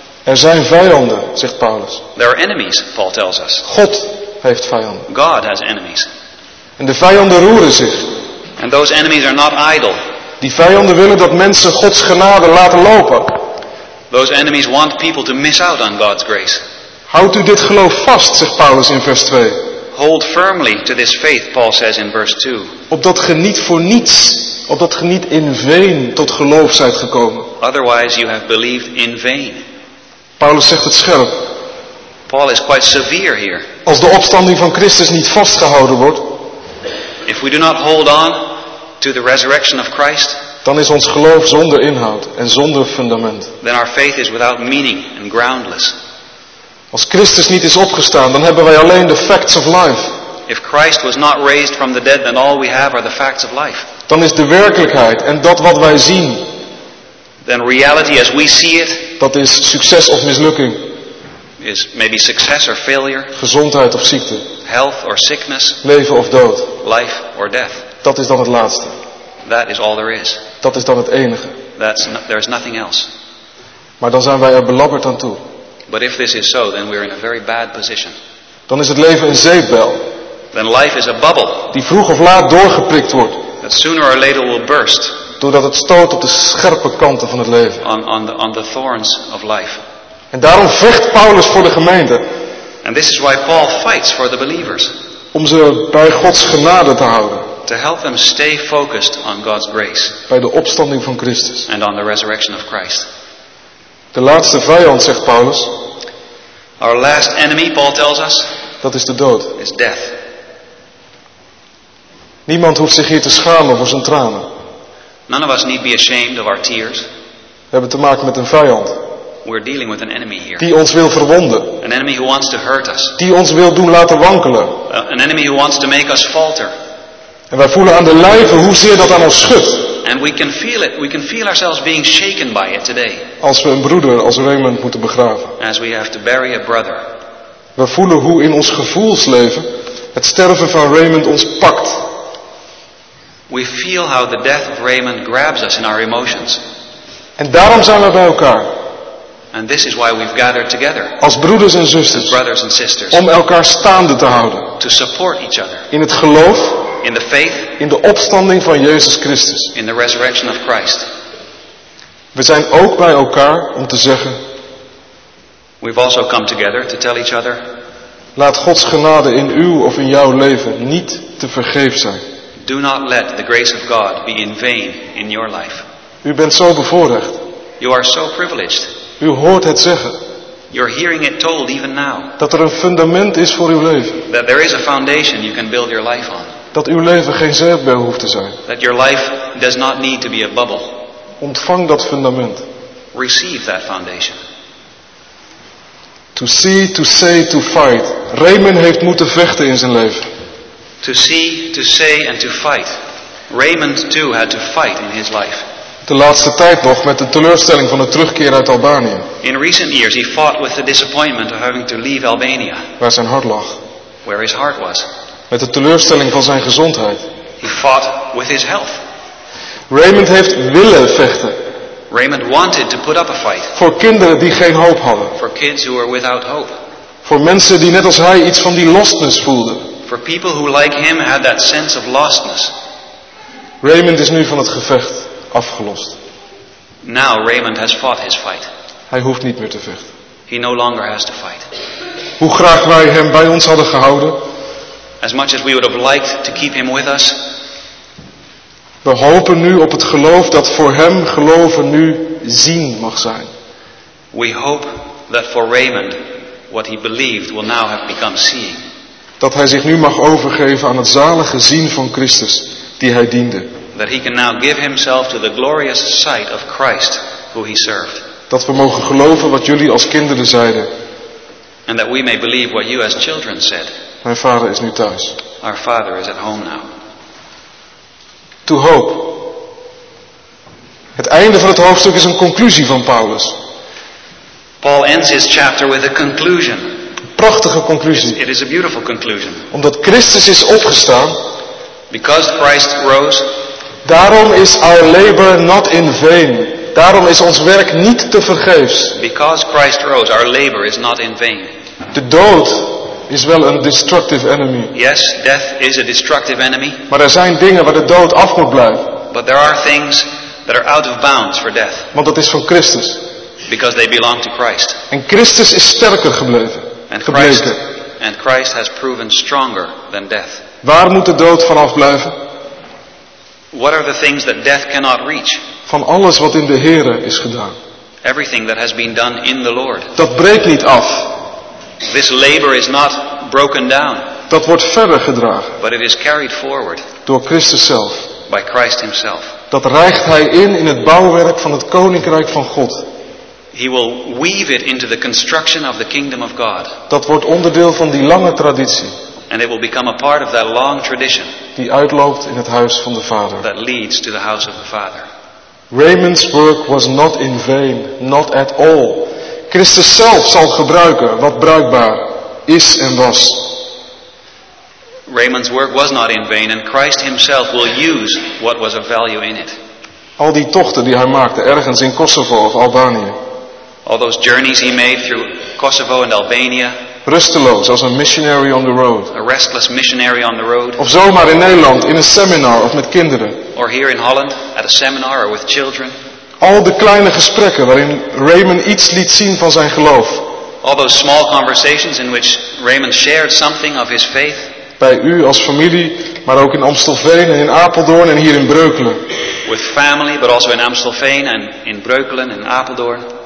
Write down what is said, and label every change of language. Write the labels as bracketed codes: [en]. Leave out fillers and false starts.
[nl] Er zijn vijanden, zegt Paulus. [en] There are enemies, Paul tells us. [nl] God heeft vijanden. [en] God has enemies. [nl] En de vijanden roeren zich. [en] And those enemies are not idle. [nl] Die vijanden willen dat mensen Gods genade laten lopen. [en] Those enemies want people to miss out on God's grace. [nl] Houd u dit geloof vast, zegt Paulus in vers 2. [en] Hold firmly to this faith, Paul says in verse 2. [nl] Opdat ge niet voor niets, opdat ge niet [en] in vain [nl] tot geloof zijt gekomen. [en] Otherwise you have believed in vain. [nl] Paulus zegt het scherp. [en] Paul is quite severe here. [nl] Als de opstanding van Christus niet vastgehouden wordt, [en] if we do not hold on to the resurrection of Christ, [nl] dan is ons geloof zonder inhoud en zonder fundament. [en] Then our faith is without meaning and groundless. [nl] Als Christus niet is opgestaan, dan hebben wij alleen de [en] facts of life. If Christ was not raised from the dead, then all we have are the facts of life. [nl] Dan is de werkelijkheid en dat wat wij zien, [en] then reality as we see it, [nl] dat is succes of mislukking, [en] is maybe success or failure, [nl] gezondheid of ziekte, [en] health or sickness, [nl] leven of dood, [en] life or death. [nl] Dat is dan het laatste. [en] That is all there is. [nl] Dat is dan het enige. [en] There is nothing else. [nl] Maar dan zijn wij er belabberd aan toe. [en] But if this is so, then we're in a very bad position. [nl] Dan is het leven een zeepbel. [en] Then life is a bubble. [nl] Die vroeg of laat doorgeprikt wordt. [en] That sooner or later will burst. [nl] Doordat het stoot op de scherpe kanten van het leven. [en] On the thorns of life. [nl] En daarom vecht Paulus voor de gemeente. [en] And this is why Paul fights for the believers. [nl] Om ze bij Gods genade te houden. [en] To help them stay focused on God's grace. [nl] Bij de opstanding van Christus. [en] And on the resurrection of Christ. [nl] De laatste vijand, zegt Paulus. [en] Our last enemy, Paul tells us. [nl] Dat is de dood. [en] Is death. [nl] Niemand hoeft zich hier te schamen voor zijn tranen. [en] None of us need be ashamed of our tears. [nl] We hebben te maken met een vijand. [en] We're dealing with an enemy here. [nl] Die ons wil verwonden. [en] An enemy who wants to hurt us. [nl] Die ons wil doen laten wankelen. [en] An enemy who wants to make us falter. [nl] En wij voelen aan de lijve hoezeer dat aan ons schudt. [en] And we can feel it. We can feel ourselves being shaken by it today. [nl] Als we een broeder als Raymond moeten begraven. [en] As we have to bury a brother. [nl] We voelen hoe in ons gevoelsleven het sterven van Raymond ons pakt. [en] We feel how the death of Raymond grabs us in our emotions. [nl] En daarom zijn we bij elkaar. [en] And this is why we've gathered together. [nl] Als broeders en zusters. [en] As brothers and sisters. [nl] Om elkaar staande te houden. [en] To support each other. [nl] In het geloof. [en] In the faith, [nl] in de opstanding van Jezus Christus. [en] In the resurrection of Christ. [nl] We zijn ook bij elkaar om te zeggen. [en] We've also come together to tell each other. [nl] Laat Gods genade in uw of in jouw leven niet te vergeefs zijn. [en] Do not let the grace of God be in vain in your life. [nl] U bent zo bevoorrecht. [en] You are so privileged. [nl] U hoort het zeggen. [en] You're hearing it told even now. [nl] Dat er een fundament is voor uw leven. [en] That there is a foundation you can build your life on. [nl] Dat uw leven geen zeepbel hoeft te zijn. [en] That your life does not need to be a bubble. [nl] Ontvang dat fundament. [en] Receive that foundation. To see, to say, to fight. [nl] Raymond heeft moeten vechten in zijn leven. [en] To see, to say and to fight. Raymond too had to fight in his life. [nl] De laatste tijd nog met de teleurstelling van de terugkeer uit Albanië. [en] In recent years he fought with the disappointment of having to leave Albania. [nl] Waar zijn hart lag. [en] Where his heart was. [nl] Met de teleurstelling van zijn gezondheid. [en] He fought with his health. [nl] Raymond heeft willen vechten. [en] Raymond wanted to put up a fight. [nl] Voor kinderen die geen hoop hadden. [en] For kids who were without hope. [nl] Voor mensen die net als hij iets van die lostness voelden. [en] For people who like him had that sense of lostness. [nl] Raymond is nu van het gevecht afgelost. [en] Now Raymond has fought his fight. [nl] Hij hoeft niet meer te vechten. [en] He no longer has to fight. [nl] Hoe graag wij hem bij ons hadden gehouden. [en] As much as we would have liked to keep him with us. [nl] We hopen nu op het geloof dat voor hem geloven nu zien mag zijn. [en] We hope that for Raymond what he believed will now have become seeing. [nl] Dat hij zich nu mag overgeven aan het zalige zien van Christus die hij diende. [en] That he can now give himself to the glorious sight of Christ who he served. [nl] Dat we mogen geloven wat jullie als kinderen zeiden. [en] And that we may believe what you as children said. [nl] Mijn vader is nu thuis. [en] Our father is at home now. To hope. [nl] Het einde van het hoofdstuk is een conclusie van Paulus. [en] Paul ends his chapter with a conclusion. [nl] Prachtige conclusie. [en] It is a beautiful conclusion. [nl] Omdat Christus is opgestaan. [en] Because Christ rose. [nl] Daarom is [en] our labor not in vain. [nl] Daarom is ons werk niet te vergeefs. [en] Because Christ rose, our labor is not in vain. [nl] De dood is wel een [en] destructive enemy. Yes, death is a destructive enemy. [nl] Maar er zijn dingen waar de dood af moet blijven. [en] But there are things that are out of bounds for death. [nl] Want dat is van Christus. [en] Because they belong to Christ. [nl] En Christus is sterker gebleven. [en] And Christ has proven stronger than death. [nl] Waar moet de dood vanaf blijven? [en] What are the things that death cannot reach? [nl] Van alles wat in de Here is gedaan. [en] Everything that has been done in the Lord. [nl] Dat breekt niet af. [en] This labor is not broken down. [nl] Dat wordt verder gedragen. [en] But it is carried forward. [nl] Door Christus zelf. [en] By Christ himself. [nl] Dat rijgt hij in het bouwwerk van het koninkrijk van God. [en] He will weave it into the construction of the kingdom of God. [nl] Dat wordt onderdeel van die lange traditie. [en] And it will become a part of that long tradition. [nl] Die uitloopt in het huis van de Vader. [en] That leads to the house of the Father. Raymond's work was not in vain, not at all. [nl] Christus zelf zal gebruiken wat bruikbaar is en was. [en] Raymond's work was not in vain and Christ himself will use what was of value in it. [nl] Al die tochten die hij maakte ergens in Kosovo of Albanië. [en] All those journeys he made through Kosovo and Albania. [nl] Rusteloos als een [en] missionary on the road. A restless missionary on the road. [nl] Of zomaar in Nederland in een seminar of met kinderen. [en] Or here in Holland at a seminar or with children. [nl] Al de kleine gesprekken waarin Raymond iets liet zien van zijn geloof. [en] All those small conversations in which Raymond shared something of his faith. [nl] Bij u als familie, maar ook in Amstelveen en in Apeldoorn en hier in Breukelen. [en] With family, but also in Amstelveen and in Breukelen and Apeldoorn.